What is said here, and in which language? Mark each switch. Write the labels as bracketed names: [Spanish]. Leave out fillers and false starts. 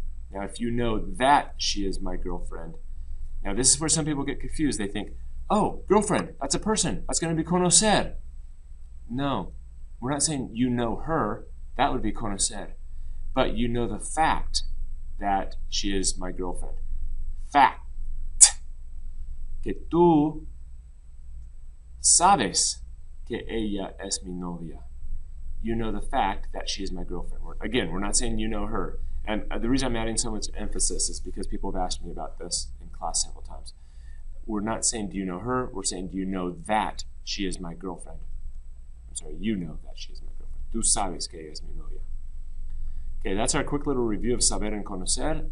[English] Now, if you know that she is my girlfriend. Now, this is where some people get confused. They think, oh, girlfriend, that's a person. That's going to be conocer. No, we're not saying you know her. That would be conocer. But you know the fact that she is my girlfriend. Fact. [Spanish] Que tú sabes que ella es mi novia. [English] You know the fact that she is my girlfriend. Again, we're not saying you know her. And the reason I'm adding so much emphasis is because people have asked me about this in class several times. We're not saying do you know her. We're saying do you know that she is my girlfriend. I'm sorry, you know that she is my girlfriend. [Spanish] Tú sabes que ella es mi novia. [English] Okay, that's our quick little review of saber and conocer.